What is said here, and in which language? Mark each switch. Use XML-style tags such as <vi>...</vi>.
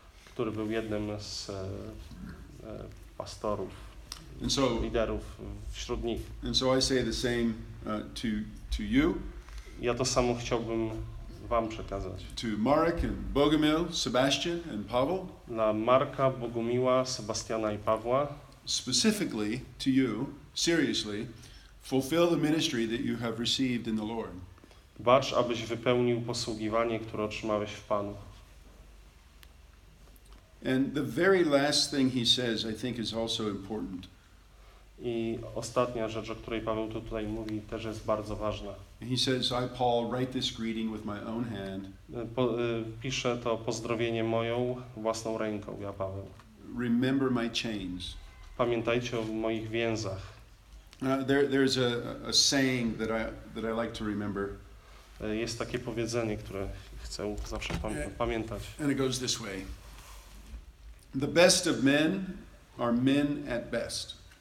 <pl>Który był jednym z pastorów, liderów wśród nich.</pl> <en>And so I say the same to you.</en> <pl>Ja to samo chciałbym wam przekazać.</pl> <en>To Marek and Bogumil, Sebastian and Pavel.</en> <pl>Na Marka, Bogumiła, Sebastiana i Pawła.</pl> <en>Specifically to you, seriously, fulfill the ministry that you have received in the Lord.</en> <pl>Bacz, abyś wypełnił posługiwanie, które otrzymałeś w Panu.</pl> <en>And the very last thing he says, I think, is also important.</en> <pl>I ostatnia rzecz, o której Paweł tutaj mówi, też jest bardzo ważna.</pl> <en>He says, I, Paul, write this greeting with my own hand.</en> <pl>Piszę to pozdrowienie moją własną ręką, ja Paweł.</pl> <en>Remember my chains.</en> <pl>Pamiętajcie o moich więzach.</pl> <en>There's a saying that I like to remember.</en> <pl>Jest takie powiedzenie, które chcę zawsze pamiętać.</pl> <en>And it goes this way. The best of men are men at best.</en>